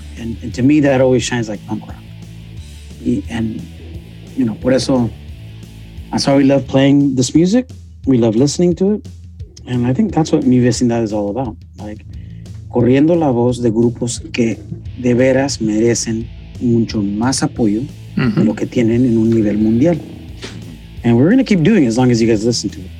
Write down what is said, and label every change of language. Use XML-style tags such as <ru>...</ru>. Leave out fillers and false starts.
<en>And to me, that always shines like punk rock. And, you know,</en> <es>por eso.</es> <en>That's why we love playing this music. We love listening to it. And I think that's what Mi Vecindad is all about.</en> <es>Like, corriendo la voz de grupos que de veras merecen mucho más apoyo mm-hmm. de lo que tienen en un nivel mundial.</es> <en>And we're going to keep doing it as long as you guys listen to it.</en>